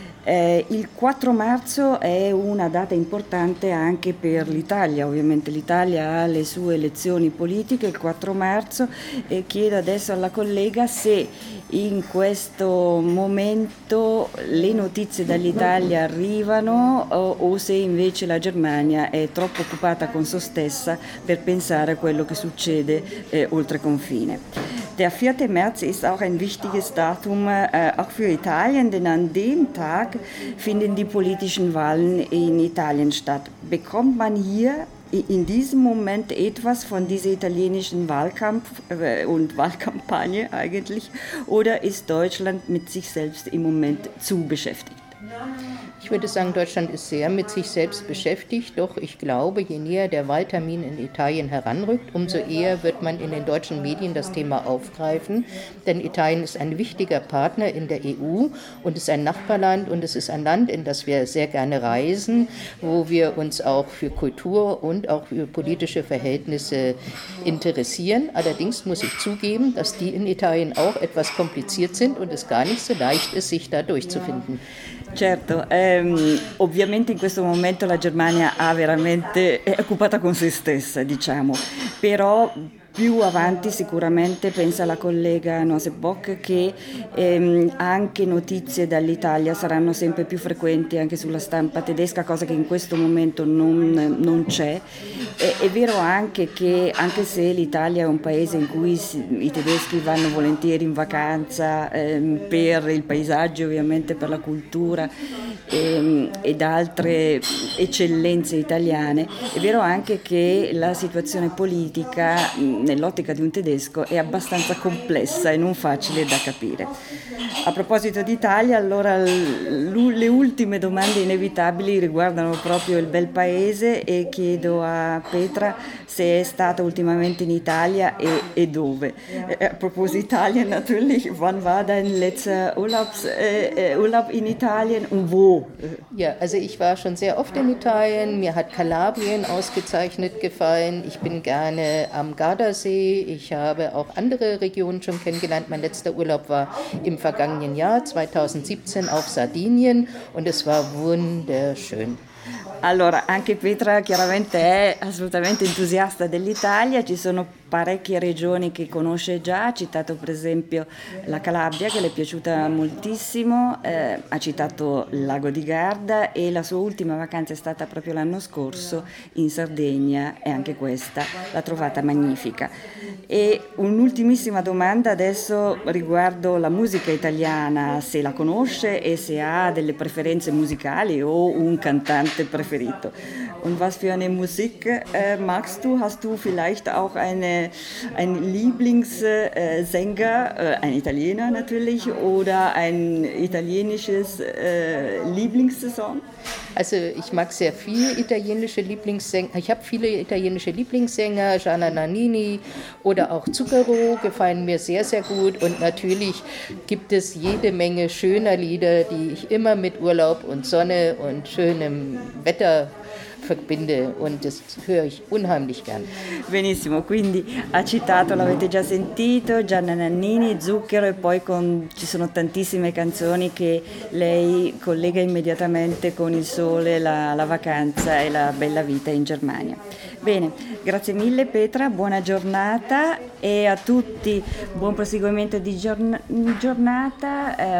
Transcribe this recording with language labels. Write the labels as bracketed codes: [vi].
[it] Il 4 marzo è una data importante anche per l'Italia, ovviamente l'Italia ha le sue elezioni politiche il 4 marzo, e chiedo adesso alla collega se in questo momento le notizie dall'Italia arrivano o se invece la Germania è troppo occupata con se stessa per pensare a quello che succede oltre confine. [de] Der 4. März ist auch ein wichtiges Datum auch für Italien, denn an dem Tag finden die politischen Wahlen in Italien statt. Bekommt man hier in diesem Moment etwas von dieser italienischen Wahlkampf und Wahlkampagne eigentlich, oder ist Deutschland mit sich selbst im Moment zu beschäftigt? Ich würde sagen, Deutschland ist sehr mit sich selbst beschäftigt, doch ich glaube, je näher der Wahltermin in Italien heranrückt, umso eher wird man in den deutschen Medien das Thema aufgreifen, denn Italien ist ein wichtiger Partner in der EU und ist ein Nachbarland und es ist ein Land, in das wir sehr gerne reisen, wo wir uns auch für Kultur und auch für politische Verhältnisse interessieren. Allerdings muss ich zugeben, dass die in Italien auch etwas kompliziert sind und es gar nicht so leicht ist, sich da durchzufinden. [it] Certo, ovviamente in questo momento la Germania ha veramente, è occupata con se stessa, diciamo, però più avanti sicuramente pensa la collega Nosebock che anche notizie dall'Italia saranno sempre più frequenti anche sulla stampa tedesca, cosa che in questo momento non c'è. È vero anche che, anche se l'Italia è un paese in cui i tedeschi vanno volentieri in vacanza per il paesaggio, ovviamente per la cultura ed altre eccellenze italiane, è vero anche che la situazione politica nell'ottica di un tedesco è abbastanza complessa e non facile da capire. A proposito d'Italia, allora le ultime domande inevitabili riguardano proprio il bel paese e chiedo a Petra se è stata ultimamente in Italia e dove. A proposito Italia, [de] natürlich, wann war dein letzter Urlaub in Italien und wo? Ja, also ich war schon sehr oft in Italien, mir hat Kalabrien ausgezeichnet gefallen, ich bin gerne am Gardasee, ich habe auch andere Regionen schon kennengelernt, mein letzter Urlaub war im vergangenen Jahr, 2017, auf Sardinien und es war wunderschön. [it] Allora, anche Petra chiaramente è assolutamente entusiasta dell'Italia, ci sono parecchie regioni che conosce già, ha citato per esempio la Calabria che le è piaciuta moltissimo, ha citato il Lago di Garda e la sua ultima vacanza è stata proprio l'anno scorso in Sardegna e anche questa l'ha trovata magnifica. E un'ultimissima domanda adesso riguardo la musica italiana, se la conosce e se ha delle preferenze musicali o un cantante preferito. [de] Und was für eine Musik magst du? Hast du vielleicht auch ein Lieblingssänger, ein Italiener natürlich, oder ein italienisches Lieblingssong? Also ich mag sehr viel italienische Lieblingssänger. Ich habe viele italienische Lieblingssänger, Gianna Nannini oder auch Zucchero gefallen mir sehr, sehr gut. Und natürlich gibt es jede Menge schöner Lieder, die ich immer mit Urlaub und Sonne und schönem Wetter verbinde und das höre ich unheimlich gern. [it] Benissimo, quindi ha citato, l'avete già sentito, Gianna Nannini, Zucchero e poi con, ci sono tantissime canzoni che lei collega immediatamente con il sole, la vacanza e la bella vita in Germania. Bene, grazie mille Petra, buona giornata e a tutti buon proseguimento di giornata.